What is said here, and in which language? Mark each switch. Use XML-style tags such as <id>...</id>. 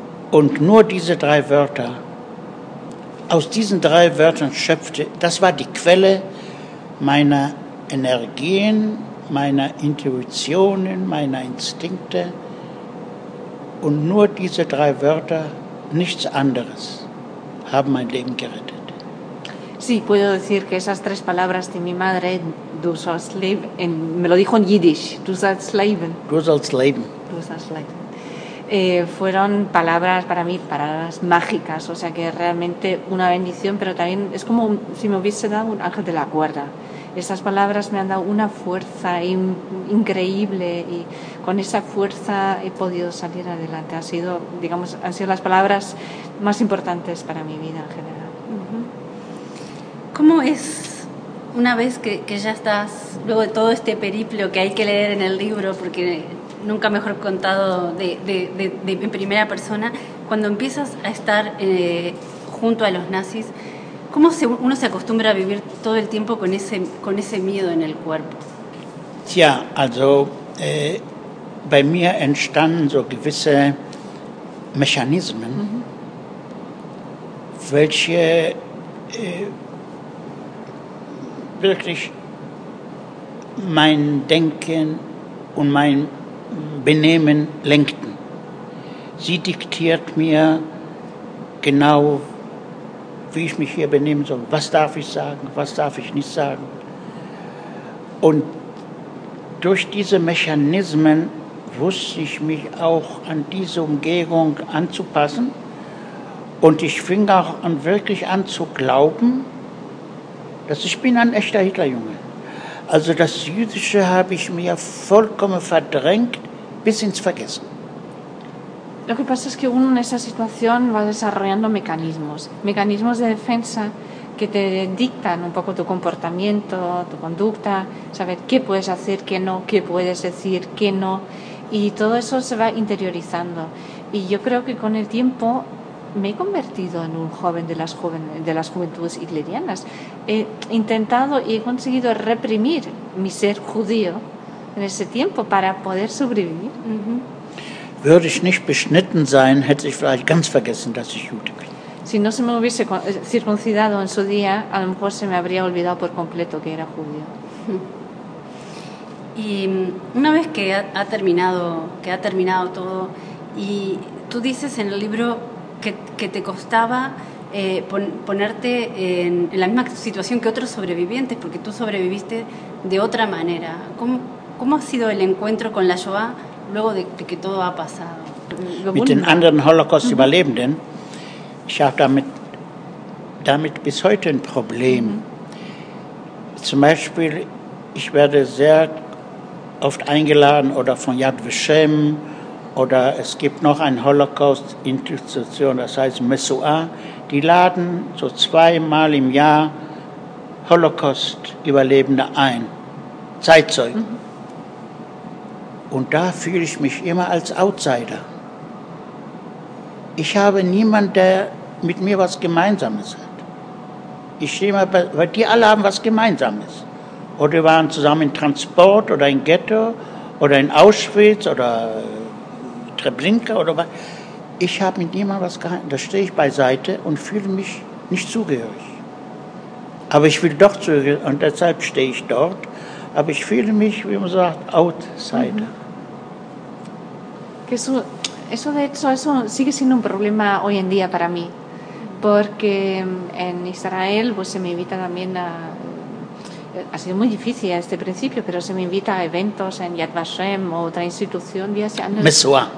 <de>Und nur diese drei Wörter, aus diesen drei Wörtern schöpfte, das war die Quelle meiner Energien, meiner Intuitionen, meiner Instinkte. Und nur diese drei Wörter, nichts anderes, haben mein Leben gerettet.</de> <es>Sí, puedo decir que esas tres palabras de mi madre,</es> <de>du sollst leben,</de> <es>me lo dijo en yiddish, du sollst leben.</es> <de>Du sollst leben. Du sollst leben.</de> <es>Fueron palabras para mí, palabras mágicas, o sea que realmente una bendición, pero también es como si me hubiese dado un ángel de la guarda. Esas palabras me han dado una fuerza increíble y con esa fuerza he podido salir adelante. Han sido las palabras más importantes para mi vida en general. ¿Cómo es, una vez que ya estás, luego de todo este periplo que hay que leer en el libro, porque nunca mejor contado de en primera persona, cuando empiezas a estar junto a los nazis, cómo uno se acostumbra a vivir todo el tiempo con ese miedo en el cuerpo?</es> <de>Ja, also bei mir entstanden so gewisse Mechanismen, welche wirklich mein Denken und mein Benehmen lenkten. Sie diktiert mir genau, wie ich mich hier benehmen soll. Was darf ich sagen, was darf ich nicht sagen? Und durch diese Mechanismen wusste ich mich auch an diese Umgebung anzupassen. Und ich fing auch an, wirklich an zu glauben, dass ich bin ein echter Hitlerjunge. Also das Jüdische habe ich mir vollkommen verdrängt, bis ins Vergessen.</de> <es>Lo que pasa es que uno en esa situación va desarrollando mecanismos de defensa que te dictan un poco tu comportamiento, tu conducta, saber qué puedes hacer, qué puedes decir, qué no, y todo eso se va interiorizando. Y yo creo que con el tiempo me he convertido en un joven de las juventudes hitlerianas. He intentado y he conseguido reprimir mi ser judío en ese tiempo para poder sobrevivir.</es> <de>Würde ich nicht beschnitten sein, hätte ich vielleicht ganz vergessen, dass ich Jude bin.</de> <es>Si no se me hubiese circuncidado en su día, a lo mejor se me habría olvidado por completo que era judío. Y una vez que ha terminado todo, y tú dices en el libro que te costaba ponerte en la misma situación que otros sobrevivientes, porque tú sobreviviste de otra manera. ¿Cómo ha sido el encuentro con la Shoah luego de que todo ha pasado?</es> <de>Mit den anderen Holocaust-Überlebenden, ich habe damit bis heute ein Problem. Zum Beispiel, ich werde sehr oft eingeladen oder von Yad Vashem, oder es gibt noch eine Holocaust-Institution, das heißt Messuah. Die laden so zweimal im Jahr Holocaust-Überlebende ein. Zeitzeugen. Mhm. Und da fühle ich mich immer als Outsider. Ich habe niemanden, der mit mir was Gemeinsames hat. Ich stehe immer bei, weil die alle haben was Gemeinsames. Oder wir waren zusammen in Transport oder in Ghetto oder in Auschwitz oder Treblinka oder was. Ich habe mit niemandem was Gemeinsames. Da stehe ich beiseite und fühle mich nicht zugehörig. Aber ich will doch zugehörig und deshalb stehe ich dort. Aber ich fühle mich, wie man sagt, Outsider.</de> <es>Eso, de hecho, eso sigue siendo un problema hoy en día para mí, porque en Israel pues, se me invita también a... Ha sido muy difícil a este principio, pero se me invita a eventos en Yad Vashem o otra institución. Mesua.</es>